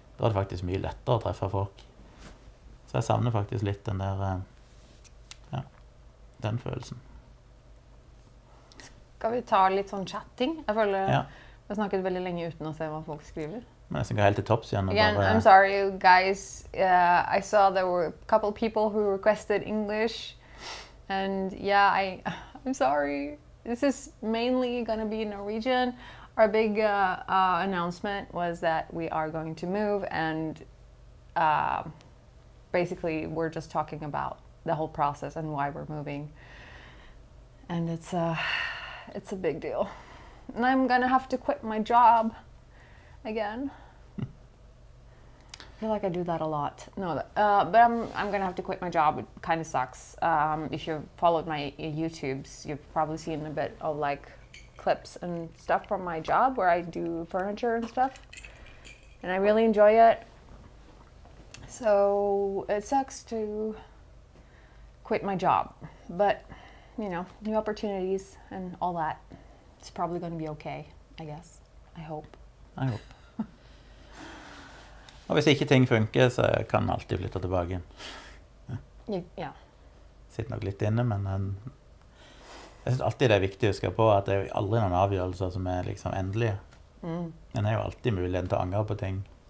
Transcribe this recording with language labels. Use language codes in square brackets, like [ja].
[no] Da er det faktisk mye lettere å treffe folk. Så jeg savner faktisk litt den der, ja, den følelsen. Skal vi ta litt sånn chatting? Jeg føler ja. Vi har snakket veldig lenge uten å se hva folk skriver. Men jeg skal helt til topps igjen. [en] Again, [no] bare, [en] I'm sorry, guys. I saw there were a couple people who requested English. And yeah, I'm sorry. This is mainly gonna be in Norwegian. Our big announcement was that we are going to move, and basically we're just talking about the whole process and why we're moving. And it's a big deal. And I'm gonna have to quit my job again. I feel like I do that a lot. No, but I'm gonna have to quit my job. It kind of sucks. If you've followed my YouTubes, you've probably seen a bit of like clips and stuff from my job where I do furniture and stuff, and I really enjoy it. So it sucks to quit my job, but you know, new opportunities and all that. It's probably going to be okay, I guess. I hope. [no] Og hvis ikke ting funker, så kan man alltid flytte tilbake igjen. Ja. Sitter nok litt inne, men jeg synes alltid det er viktig å huske på at det er aldri noen avgjørelser som er liksom endelige. Mm. Men det er jo alltid muligheten til å angre på ting.